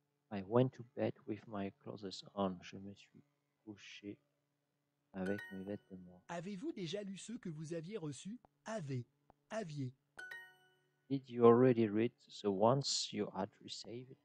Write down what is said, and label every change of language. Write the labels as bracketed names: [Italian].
[English] I went to bed with my clothes on. [French] Je me suis couché avec mes vêtements. Avez-vous déjà lu ceux que vous aviez reçus? Avez. Aviez. [English] Did you already read the ones you had received?